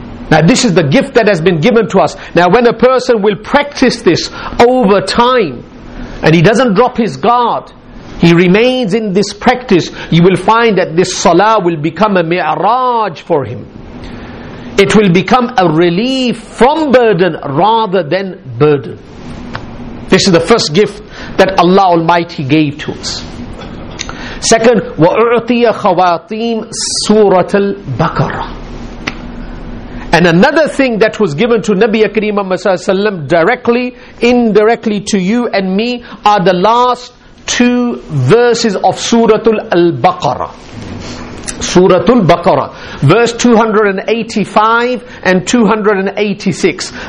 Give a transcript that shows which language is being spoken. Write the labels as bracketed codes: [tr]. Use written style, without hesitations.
[en] Now this is the gift that has been given to us. Now when a person will practice this over time, and he doesn't drop his guard, he remains in this practice, you will find that this salah will become a mi'raj for him. It will become a relief from burden rather than burden. This is the first gift that Allah Almighty gave to us. [ar] Second, وَأُعْطِيَ خَوَاتِيم سُورَةَ الْبَقَرَةَ. [en] And another thing that was given to Nabi Akrim Sallam directly, indirectly to you and me, are the last two verses of Suratul Al-Baqarah. Surah Al-Baqarah, verse 285 and 286.